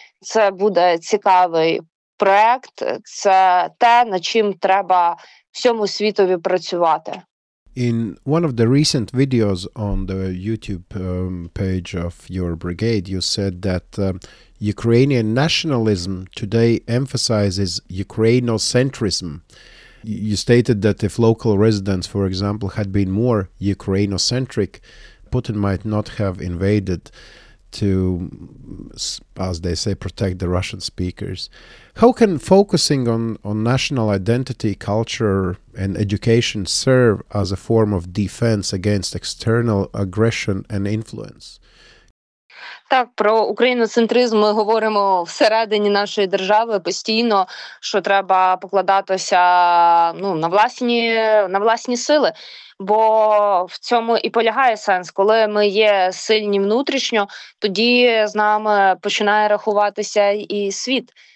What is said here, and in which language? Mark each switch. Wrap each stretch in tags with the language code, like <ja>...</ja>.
<uk>Це буде цікавий проект, це те, над чим треба всьому світові працювати.</uk> <en>In one of the recent videos on the YouTube page of your brigade, you said that Ukrainian nationalism today emphasizes Ukrainocentrism. You stated that if local residents, for example, had been more Ukrainocentric, Putin might not have invaded to, as they say, protect the Russian speakers. How can focusing on national identity, culture, and education serve as a form of defense against external aggression and influence?</en> <uk>Так, про україноцентризм ми говоримо всередині нашої держави постійно, що треба покладатися ну, на власні сили. Бо в цьому і полягає сенс. Коли ми є сильні внутрішньо, тоді з нами починає рахуватися і світ.</uk>